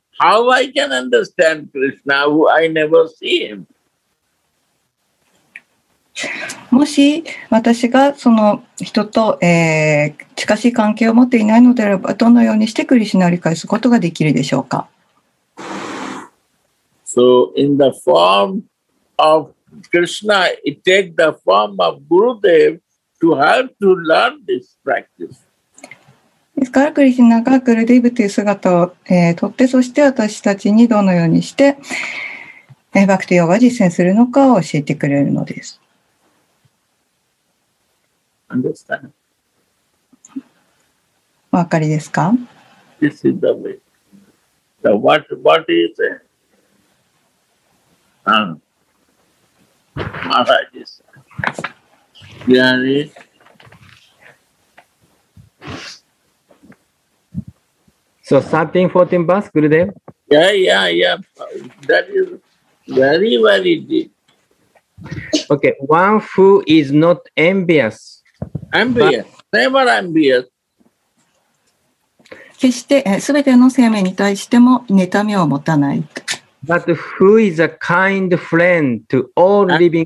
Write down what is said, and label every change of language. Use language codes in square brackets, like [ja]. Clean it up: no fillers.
[en] How I can understand Krishna who I never see him? [ja] もし私がその人と、近しい関係を持っていないのであれば、どのようにしてクリシナを理解することができるでしょうか? [en] So in the form of Krishna, it takes the form of Gurudev to help to learn this practice. [ja] ですからクリシナがグルデイブという姿を、取ってそして私たちにどのようにして、バクティヨガを実践するのかを教えてくれるのです。 [en] Understand? [ja] お分かりですか? [en] This is the way. The what is it? Maharaj is it? So 13-14 bus, Gurudev? Yeah. That is very, very deep. Okay, one who is not envious. Never envious. [ja] 決して、全ての生命に対しても妬みを持たない。 [en] But who is a kind friend to all living